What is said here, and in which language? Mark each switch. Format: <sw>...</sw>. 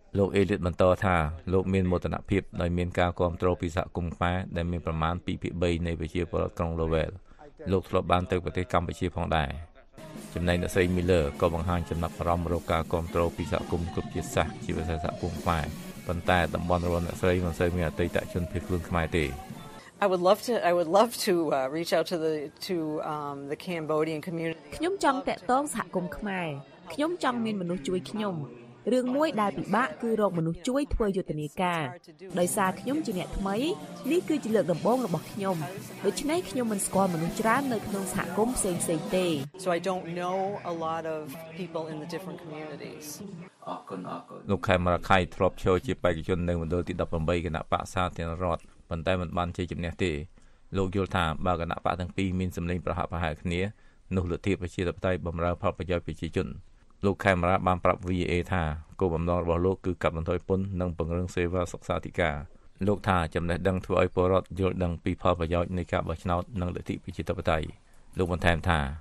<km>លោកអេលីតបន្តថាលោកមានមោទនភាពដោយមានការគាំទ្រពីសហគមន៍ខ្មែរដែលមានប្រមាណ 2/3 នៃប្រជាពលរដ្ឋក្រុង Lowell លោកធ្លាប់បានទៅប្រទេសកម្ពុជាផងដែរចំណែកអ្នកស្រី Miller ក៏បង្ហាញចំណាប់អារម្មណ៍រកការគ្រប់គ្រងពីសហគមន៍គ្រប់ជាសាសជាវិស័យសហគមន៍ខ្មែរប៉ុន្តែតំបន់របស់អ្នកស្រីមិនសូវមានអតីតជនភៀសខ្លួនខ្មែរទេ</km> <en>I would love to reach out to the Cambodian community</en> <km>ខ្ញុំចង់តាក់ទងសហគមន៍ខ្មែរខ្ញុំចង់មានមនុស្សជួយខ្ញុំព រឿងមួយដែលពិបាកគឺរកមនុស្សជួយធ្វើយុទ្ធនាការដោយសារខ្ញុំជាអ្នកថ្មីនេះគឺជាលើកដំបូងរបស់ខ្ញុំដូច្នេះខ្ញុំមិនស្គាល់មនុស្សច្រើននៅក្នុងសហគមន៍ផ្សេងៗទេ</km> <en>So I don't know a lot of people in the different communities</en> <km>លោកខែមរខៃធ្លាប់ចូលជាបេក្ខជននៅមណ្ឌលទី18គណៈបក្សសាធារណរដ្ឋប៉ុន្តែមិនបានជ័យជំនះទេលោកយល់ថាបើគណៈបក្សទាំងពីរមានសម្លេងប្រហាក់ប្រហែលគ្នានោះលទ្ធិប្រជាធិបតេយ្យបម្រើផលប្រយោជន៍ប្រជាជនលោកខេមរ៉ាបានប្រាប់ VA ថាគោលបំណងរបស់លោកគឺកាត់បន្ថយពន្ធនិងពង្រឹងសេវាសុខាធិការលោកថាចំណេះដឹងធ្វើឲ្យពលរដ្ឋយល់ដឹងពីផលប្រយោជន៍នៃការបោះឆ្នោតនិងលទ្ធិប្រជាធិបតេយ្យលោកបន្ថែមថា</km>